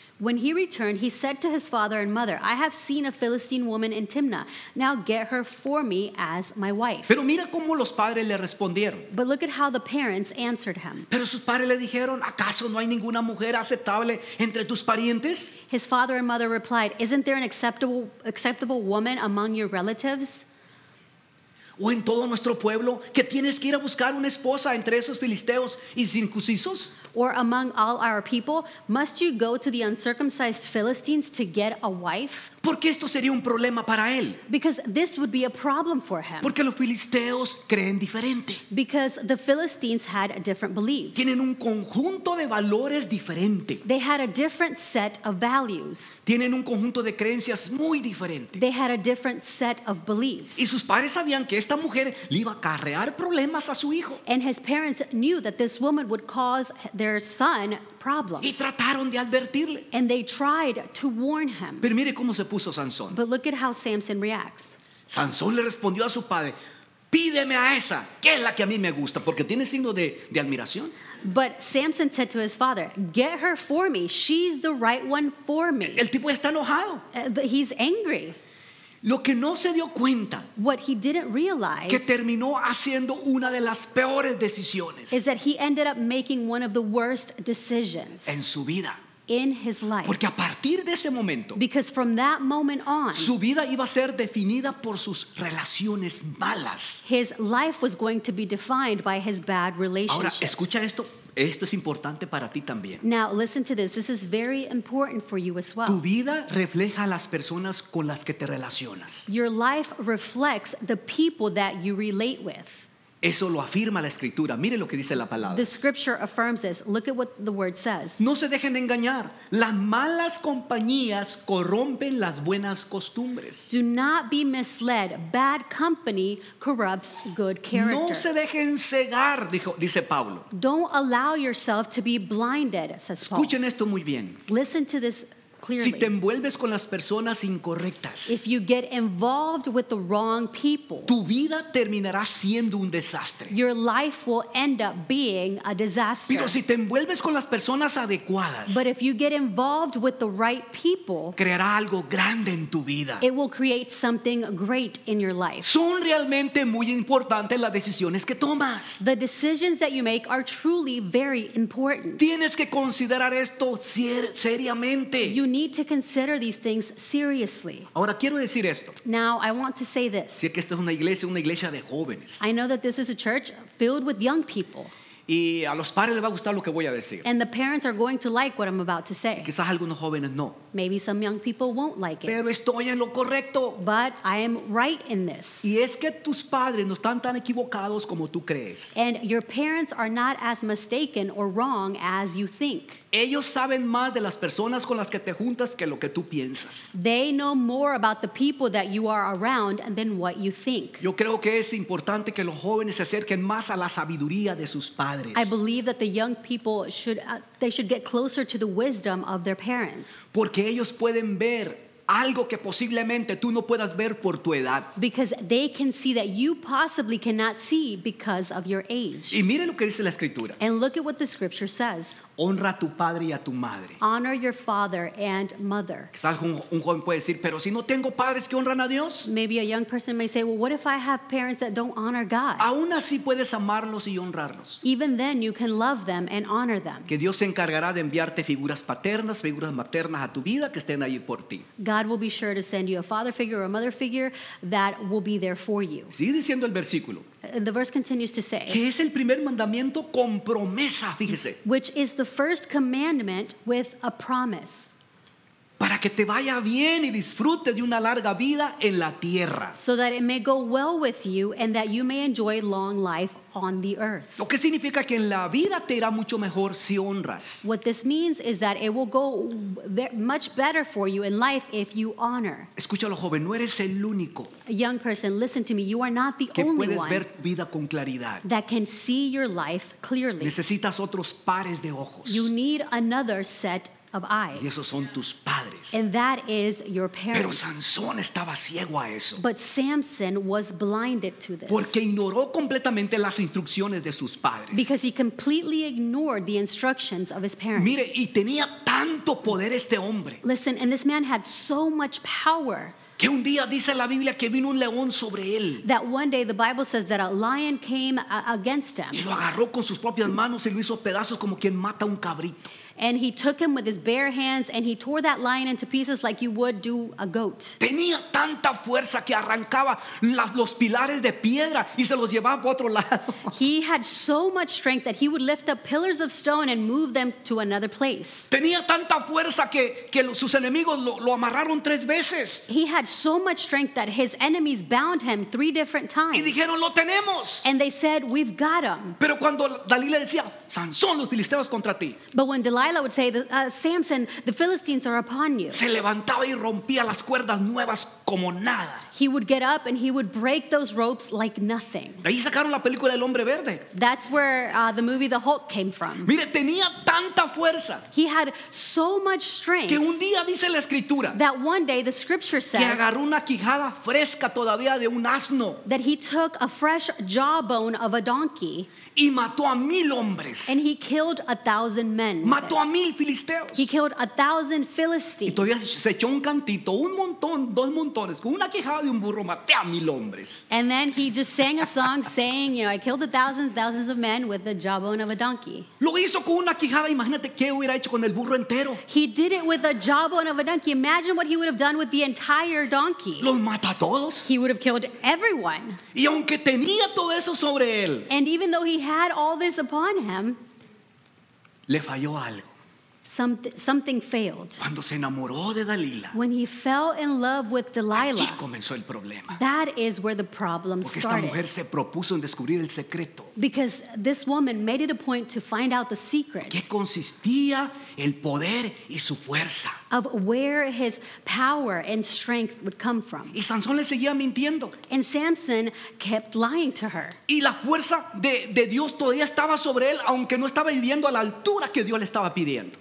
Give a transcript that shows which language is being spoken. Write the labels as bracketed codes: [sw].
[en] When he returned, he said to his father and mother, I have seen a Philistine woman in Timnah. Now get her for me as my wife. [es] Pero mira cómo los padres le respondieron. [en] But look at how the parents answered him. [es] Pero sus padres le dijeron, ¿acaso no hay ninguna mujer aceptable entre tus parientes? [en] His father and mother replied, isn't there an acceptable woman among your relatives? [es] ¿O en todo nuestro pueblo que tienes que ir a buscar una esposa entre esos filisteos y circuncisos? [en] Or among all our people, must you go to the uncircumcised Philistines to get a wife? [es] Porque esto sería un problema para él. [en] Because this would be a problem for him. [es] Porque los filisteos creen diferente. [en] Because the Philistines had a different belief. [es] Tienen un conjunto de valores diferente. [en] They had a different set of values. [es] Tienen un conjunto de creencias muy diferente. [en] They had a different set of beliefs. [es] Y sus padres sabían que esta mujer le iba a acarrear problemas a su hijo. [en] And his parents knew that this woman would cause their son problems. [es] Y trataron de advertirle. [en] And they tried to warn him. [es] Pero mire cómo se puso Sansón. [en] But look at how Samson reacts. [es] Sansón le respondió a su padre, pídeme a esa, que es la que a mí me gusta, porque tiene signo de admiración. [en] But Samson said to his father, get her for me, she's the right one for me. [es] El tipo ya está enojado. [en] He's angry. [es] Lo que no se dio cuenta, [en] what he didn't realize, [es] que terminó haciendo una de las peores decisiones, [en] is that he ended up making one of the worst decisions [es] en su vida. [en] In his life. [es] Porque a partir de ese momento, [en] because from that moment on, [es] su vida iba a ser definida por sus relaciones malas. [en] His life was going to be defined by his bad relationships. [es] Ahora, escucha esto Esto es importante para ti también. [en] Now listen to this. This is very important for you as well. [es] Tu vida refleja las personas con las que te relacionas. [en] Your life reflects the people that you relate with. [es] Eso lo afirma la escritura. Mire lo que dice la palabra. [en] The scripture affirms this. Look at what the word says. [es] No se dejen de engañar. Las malas compañías corrompen las buenas costumbres. [en] Do not be misled. Bad company corrupts good character. [es] No se dejen cegar, dice Pablo. [en] Don't allow yourself to be blinded, says Paul. [es] Escuchen esto muy bien. [en] Listen to this. Clearly. [es] Si te envuelves con las personas incorrectas, [en] if you get involved with the wrong people, [es] tu vida terminará siendo un desastre. [en] Your life will end up being a disaster. [es] Pero si te envuelves con las personas adecuadas, [en] but if you get involved with the right people, [es] creará algo grande en tu vida. [en] It will create something great in your life. [es] Son realmente muy importantes las decisiones que tomas. [en] The decisions that you make are truly very important. [es] Tienes que considerar esto seriamente. [en] You need to consider these things seriously. [es] Ahora, quiero decir esto. [en] Now, I want to say this. [es] Si es que esta es una iglesia de jóvenes. [en] I know that this is a church filled with young people. [es] Y a los padres les va a gustar lo que voy a decir. [en] And the parents are going to like what I'm about to say. [es] Y quizás algunos jóvenes no. [en] Maybe some young people won't like it. [es] Pero estoy en lo correcto. [en] But I am right in this. [es] Y es que tus padres no están tan equivocados como tú crees. [en] And your parents are not as mistaken or wrong as you think. [es] Ellos saben más de las personas con las que te juntas que lo que tú piensas. [en] They know more about the people that you are around than what you think. [es] Yo creo que es importante que los jóvenes se acerquen más a la sabiduría de sus padres. [en] I believe that the young people should they should get closer to the wisdom of their parents. [es] Porque ellos pueden ver algo que posiblemente tú no puedas ver por tu edad. [en] Because they can see that you possibly cannot see because of your age. [es] Y mire lo que dice la escritura. [en] And look at what the scripture says. [es] Honra a tu padre y a tu madre. [en] Honor your father and mother. [es] Quizás un joven puede decir, pero si no tengo padres que honran a Dios. [en] Maybe a young person may say, well, what if I have parents that don't honor God? [es] Aún así puedes amarlos y honrarlos. [en] Even then you can love them and honor them. [es] Que Dios se encargará de enviarte figuras paternas, figuras maternas a tu vida que estén ahí por ti. [en] God will be sure to send you a father figure or a mother figure that will be there for you. [es] Sigue diciendo el versículo. [en] And the verse continues to say, [es] que es el primer mandamiento con promesa, fíjese. [en] Which is the first commandment with a promise. [es] Para que te vaya bien y disfrute de una larga vida en la tierra. [en] So that it may go well with you and that you may enjoy long life on the earth. [es] Lo que significa que en la vida te irá mucho mejor si honras. [en] What this means is that it will go much better for you in life if you honor. [es] Escúchalo, joven, no eres el único. [en] A young person, listen to me, you are not the [es] que [en] only [es] puedes [en] one [es] ver vida con claridad. [en] That can see your life clearly. [es] Necesitas otros pares de ojos. [en] You need another set of eyes. [es] Y esos son tus padres. [en] And that is your parents. [es] Pero Sansón estaba ciego a eso. [en] But Samson was blinded to this. [es] Porque ignoró completamente las instrucciones de sus padres. [en] Because he completely ignored the instructions of his parents. [es] Mire, y tenía tanto poder este hombre. [en] Listen, and this man had so much power. [es] Que un día dice la Biblia que vino un león sobre él. [en] That one day the Bible says that a lion came against him. [es] Y lo agarró con sus propias manos y lo hizo pedazos como quien mata un cabrito. [en] And he took him with his bare hands and he tore that lion into pieces like you would do a goat. [es] Tenía tanta fuerza que arrancaba los pilares de piedra y se los llevaba para otro lado. [en] He had so much strength that he would lift up pillars of stone and move them to another place. [es] Tenía tanta fuerza que sus enemigos lo amarraron tres veces. [en] He had so much strength that his enemies bound him three different times. [es] Y dijeron, lo tenemos. [en] And they said, we've got him. [es] Pero cuando Dalila decía, Sansón, los filisteos contra ti. [en] But when Delilah would say, Samson, the Philistines are upon you. [es] Se levantaba y rompía las cuerdas nuevas como nada. [en] He would get up and he would break those ropes like nothing. [es] De ahí sacaron la película del Hombre Verde. [en] That's where the movie The Hulk came from. [es] Mire, tenía tanta fuerza. [en] He had so much strength. [es] Que un día dice la escritura. [en] That one day the scripture says. [es] Que agarró una quijada fresca todavía de un asno. [en] That he took a fresh jawbone of a donkey. [es] Y mató a 1,000 hombres. [en] And he killed 1,000 men. [es] Mató a 1,000 filisteos. [en] He killed 1,000 Philistines. [es] Y todavía se echó un cantito, un montón, dos montones, con una quijada de un burro maté a 1,000 hombres. [en] And then he just sang a song saying, you know, I killed thousands of men with the jawbone of a donkey. [es] Lo hizo con una quijada, imagínate qué hubiera hecho con el burro entero. [en] He did it with the jawbone of a donkey. Imagine what he would have done with the entire donkey. [es] Los mata a todos. [en] He would have killed everyone. [es] Y aunque tenía todo eso sobre él. [en] And even though he had all this upon him, [es] Le falló algo. [en] Something failed. [es] Cuando se enamoró de Dalila, [en] when he fell in love with Delilah, [es] ahí comenzó el problema. [en] That is where the problem [es] Porque [en] started. [es] Esta mujer se propuso en descubrir el secreto. [en] Because this woman made it a point to find out the secret. [es] ¿Qué consistía el poder y su fuerza? [en] Of where his power and strength would come from. [es] Y Sansón le seguía mintiendo. [en] And Samson kept lying to her. [es] Y la fuerza de Dios todavía estaba sobre él, aunque no estaba viviendo a la altura que Dios le estaba pidiendo.